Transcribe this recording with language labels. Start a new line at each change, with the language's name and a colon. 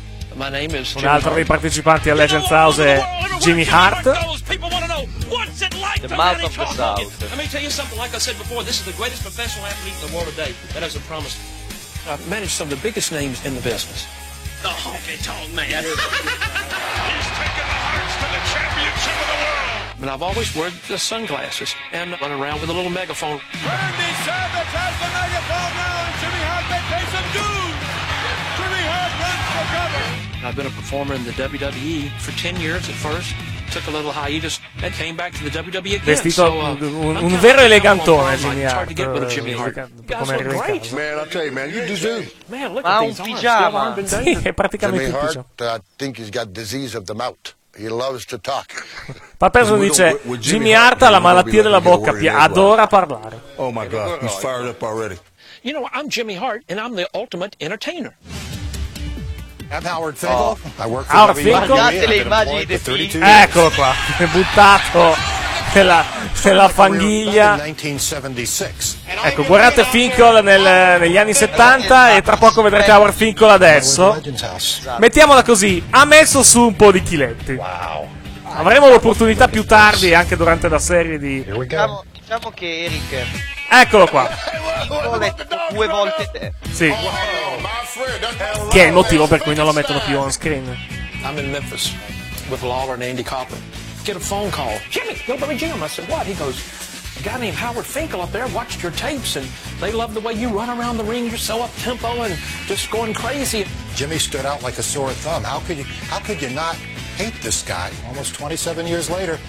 Italian: Un altro dei partecipanti a Legends House è Jimmy Hart.
English: The mouth of the South. Let me tell you something. Like I said before, this is the greatest professional athlete in the world today. That is a promise. I've managed some of the biggest names in the business. The honky tonk man. He's taken the Hearts to the championship of the world. And I've always worn the sunglasses and run around with a little megaphone. Randy Savage has the megaphone now, and Jimmy Hart, they pay some dues. Jimmy Hart runs for cover. I've been a performer in the WWE for 10 years at first. Took a little hiatus and came back to the WWE again.
Italian: Vestito un vero elegantone, Jimmy Hart. Come è arrivato?
English: Man, I'll tell you, man, you deserve. Man, look at these arms. Pigiama.
Italian: Sì, è praticamente
English: Jimmy Hart, I think he's got disease of the mouth. He loves to talk.
Italian: Papeso dice, Jimmy Hart ha la malattia della bocca, adora parlare.
English: Oh my God, he's fired up already. You know, I'm Jimmy Hart and I'm the ultimate entertainer. I'm Howard Finkel.
Italian: Eccolo qua, è buttato nella fanghiglia. Ecco, guardate Finkel negli anni 70 e tra poco vedrete Howard Finkel adesso. Mettiamola così, ha messo su un po' di chiletti. Avremo l'opportunità più tardi, anche durante la serie di... Diciamo che Eric... Eccolo qua. Ho letto due volte te. Sì. Che è il motivo per cui non lo mettono più on screen.
English: I'm in Memphis with Lawler and Andy Coppin. Get a phone call. Jimmy, go to the gym. I said, what? He goes, a guy named Howard Finkel up there watched your tapes and they love the way you run around the ring. You're so up tempo and just going crazy. Jimmy stood out like a sore thumb. How could you not hate this guy almost 27 years later?